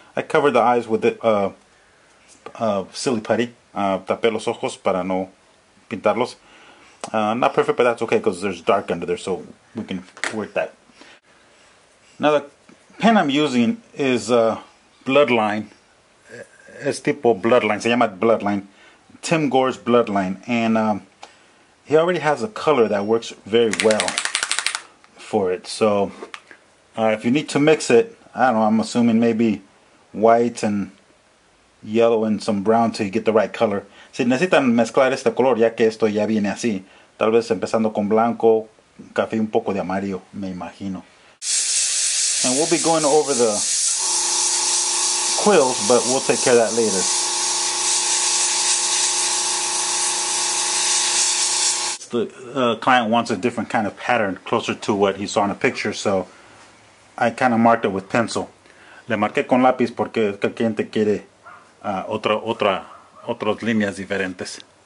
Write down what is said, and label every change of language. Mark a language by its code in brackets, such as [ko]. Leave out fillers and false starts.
[en] I covered the eyes with the silly putty. [es] Tapé los ojos para no pintarlos. [en] Not perfect, but that's okay because there's dark under there, so we can work that. Now the pen I'm using is Bloodline. [es] Es tipo Bloodline. Se llama Bloodline. Tim Gore's Bloodline. [en] And he already has a color that works very well for it. So if you need to mix it, I don't know, I'm assuming maybe white and yellow and some brown till you get the right color. [es] Si necesitan mezclar este color, ya que esto ya viene así. Tal vez empezando con blanco, café un poco de amarillo, me imagino. [en] And we'll be going over the quills, but we'll take care of that later. The client wants a different kind of pattern, closer to what he saw in a picture, so I kind of marked it with pencil. [es] Le marqué con lápiz porque el cliente quiere otras líneas diferentes.